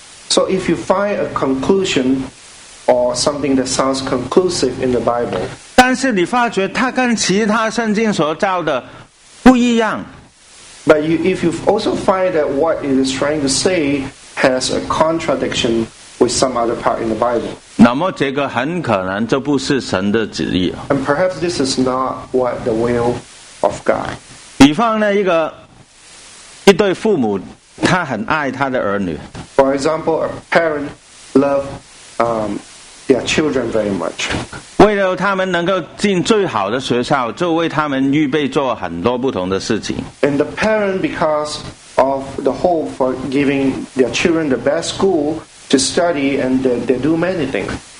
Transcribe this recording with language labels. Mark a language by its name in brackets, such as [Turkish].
[English] so if you find a conclusion or something that sounds conclusive in the Bible, [Chinese] 但是你发觉它跟其他圣经所教的不一样， [English] but you, if you also find that what it is trying to say has a contradiction with some other part in the Bible, [Chinese] 那么这个很可能就不是神的旨意了。 [English] And perhaps this is not what the will of God. [Chinese] 比方呢，一对父母，他很爱他的儿女。 [English] For example, a parent loves their children very much. [Chinese] 为了他们能够进最好的学校，就为他们预备做很多不同的事情。 [English] And the parent, because of the hope for giving their children the best school to study, and they do many things.